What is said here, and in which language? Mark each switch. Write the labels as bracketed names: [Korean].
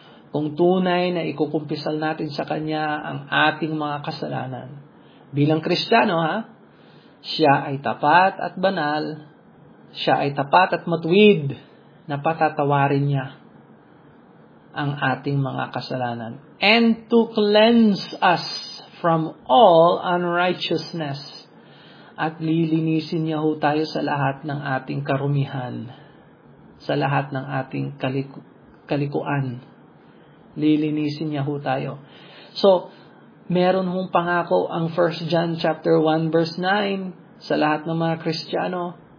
[Filipino] Kung tunay na ikukumpisal natin sa Kanya ang ating mga kasalanan, bilang Kristiyano, ha? Siya ay tapat at banal. Siya ay tapat at matuwid na patatawarin niya ang ating mga kasalanan. [English] And to cleanse us from all unrighteousness. [Filipino] At lilinisin niya ho tayo sa lahat ng ating karumihan. Sa lahat ng ating kalikuan. Lilinisin niya ho tayo. So, meron hong pangako ang 1 John chapter 1 verse 9 sa lahat ng mga Kristiyano.